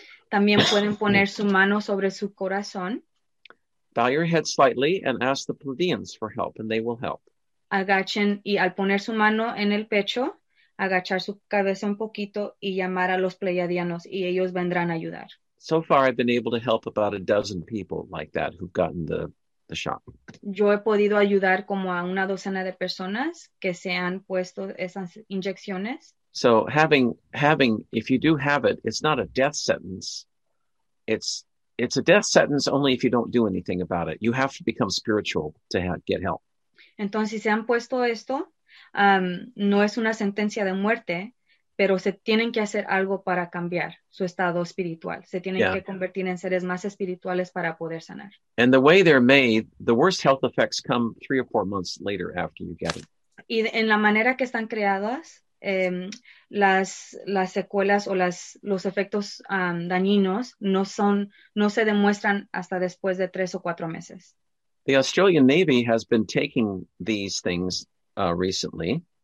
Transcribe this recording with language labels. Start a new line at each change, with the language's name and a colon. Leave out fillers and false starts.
Spanish: También pueden poner su mano sobre su corazón.
English: Bow your head slightly and ask the Pleiadians for help, and they will help.
Spanish: Agachen, y al poner su mano en el pecho, agachar su cabeza un poquito y llamar a los Pleiadianos, y ellos vendrán a ayudar.
English: So far, I've been able to help about a dozen people like that who've gotten the shot.
Spanish: Yo he podido ayudar como a una docena de personas que se han puesto esas inyecciones.
English: So having, if you do have it, it's not a death sentence. It's a death sentence only if you don't do anything about it. You have to become spiritual to get help.
Spanish: Entonces, si se han puesto esto, no es una sentencia de muerte, pero se tienen que hacer algo para cambiar su estado espiritual. Se tienen que convertir en seres más espirituales para poder sanar.
English: And the way they're made, the worst health effects come 3 or 4 months later after you get it.
Spanish: Y en la manera que están creadas, las secuelas o los efectos dañinos no se demuestran hasta después de 3 o 4 meses.
English: The Australian Navy has been taking these things recently.